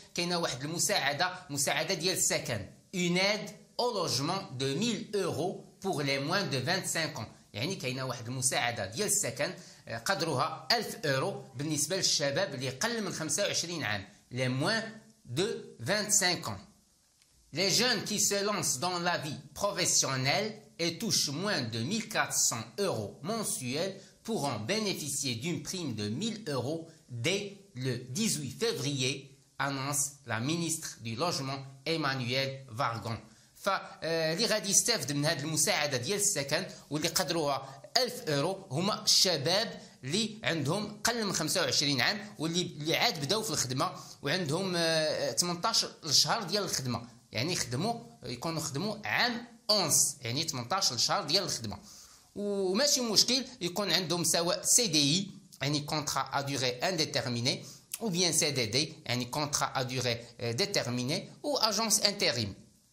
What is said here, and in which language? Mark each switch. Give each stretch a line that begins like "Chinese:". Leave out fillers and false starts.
Arabic: كاين واحد المساعدة ديال السكن، اوناد او لوجمون دو 1000 يورو بوغ لي موان دو 25 عام. يعني كاين واحد المساعدة ديال السكن قدرها 1000 يورو بالنسبة للشباب اللي قل من 25 عام، لي موان دو 25 عام.
French: Les jeunes qui se lancent dans la vie professionnelle et touchent moins de 1400 euros mensuels pourront bénéficier d'une prime de 1000 euros dès le 18 février, annonce la ministre du Logement Emmanuelle Wargon.
Arabic: فاللي غادي يستافد من هذه المساعده ديال السكن واللي قدروها 1000 يورو هما الشباب اللي عندهم قل من 25 عام واللي عاد بداوا في الخدمه وعندهم 18 شهر ديال الخدمه، يعني يكونوا خدموا عام اونس، يعني 18 شهر ديال الخدمه، وماشي مشكل يكون عندهم سواء سي دي اي يعني كونترا ا دوري انديتيرميني او بيان سي دي دي يعني كونترا ا دوري ديتيرميني او اجونس انتريم.